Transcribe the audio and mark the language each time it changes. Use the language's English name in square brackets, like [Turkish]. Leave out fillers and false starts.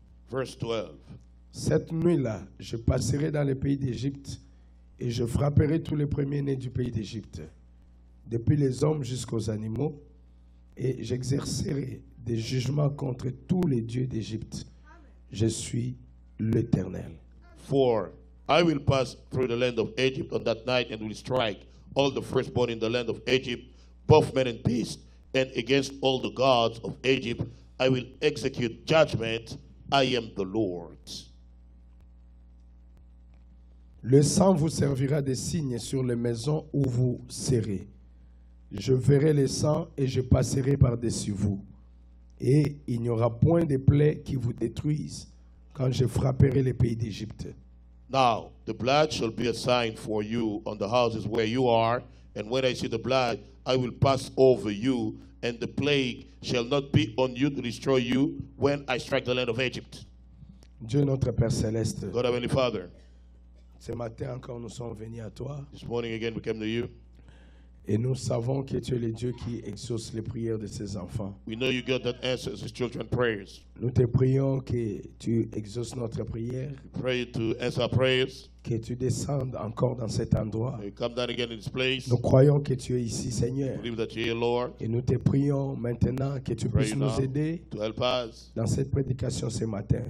[English] Verse 12. [French] Cette nuit-là, je passerai dans le pays d'Égypte et je frapperai tous les premiers-nés du pays d'Égypte, depuis les hommes jusqu'aux animaux, et j'exercerai des jugements contre tous les dieux d'Égypte. Je suis l'Éternel. [English] For I will pass through the land of Egypt on that night and will strike all the firstborn in the land of Egypt, both men and beasts, and against all the gods of Egypt, I will execute judgment. I am the Lord. [French] Le sang vous servira de signe sur les maisons où vous serez. Je verrai le sang et je passerai par-dessus vous. Et il n'y aura point de plaie qui vous détruise quand je frapperai les pays d'Égypte. [English] Now, the blood shall be a sign for you on the houses where you are. And when I see the blood, I will pass over you. And the plague shall not be on you to destroy you when I strike the land of Egypt. [French] Dieu notre Père céleste. [English] God Heavenly Father. [French] Ce matin encore nous sommes venus à toi. [English] This morning again we came to you. [French] Et nous savons que tu es le Dieu qui exauce les prières de ses enfants. [English] We know you God that answers his children's prayers. [French] Nous te prions que tu exauces notre prière. [English] We pray to answer our prayers. [French] Que tu descendes encore dans cet endroit. [English] You come down again in this place. [French] Nous croyons que tu es ici, Seigneur. [English] We believe that you're here, Lord. [French] Et nous te prions maintenant que tu puisses nous aider [English] to help us [French] dans cette prédication ce matin.